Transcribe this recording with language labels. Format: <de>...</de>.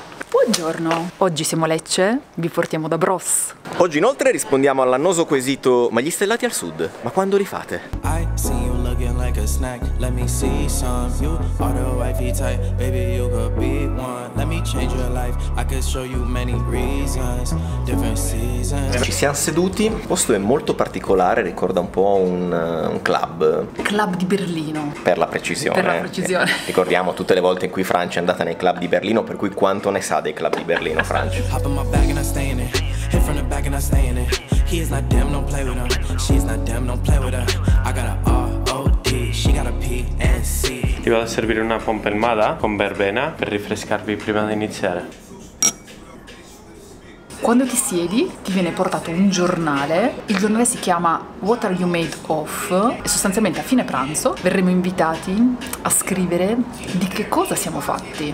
<it>Buongiorno, oggi siamo Lecce, vi portiamo da Bros. Oggi inoltre rispondiamo all'annoso quesito: ma gli stellati al sud, ma quando li fate?</it> <en>I see you looking like a snack, let me see some. You are the wifey type, baby you could be one. Let me change your life, I could show you many reasons, different seasons.</en> <it>Ci siamo seduti, il posto è molto particolare, ricorda un po' un club. Club di Berlino. Per la precisione. Per la precisione. Ricordiamo tutte le volte in cui Francia è andata nei club di Berlino, per cui quanto ne sa dei club di Berlino, Francia?</it> <en>Hop in my bag and I stay in it. Hit from the back and I stay in it. He is not damn, don't play with her. She's not damn, don't play with her. I got a R-O-D, she got a P-N-C.</en> <it>Ti vado a servire una pompelmada con verbena per rinfrescarvi prima di iniziare. Quando ti siedi, ti viene portato un giornale. Il giornale si chiama What Are You Made Of? E sostanzialmente a fine pranzo verremo invitati a scrivere di che cosa siamo fatti.</it>